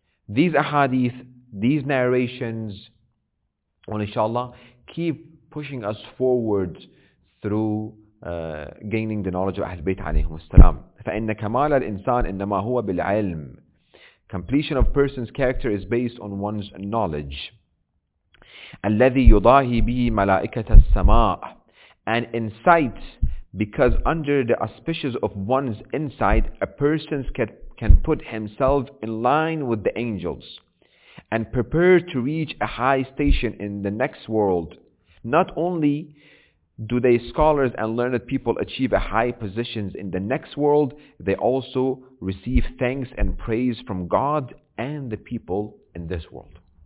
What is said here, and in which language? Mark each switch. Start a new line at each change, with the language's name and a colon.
English: These ahadith, these narrations, inshallah, keep pushing us forward through gaining the knowledge of Ahlul Bayt alayhim as-salam.
Arabic: فَإِنَّ كَمَالَ الْإِنسَانِ إِنَّمَا هُوَ بِالْعِلْمِ.
English: Completion of person's character is based on one's knowledge.
Arabic: الَّذِي يُضَاهِي بِهِ مَلَائِكَةَ السَّمَاءِ.
English: And insight, because under the auspices of one's insight, a person's can put himself in line with the angels and prepare to reach a high station in the next world. Not only do they scholars and learned people achieve a high positions in the next world, they also receive thanks and praise from God and the people in this world.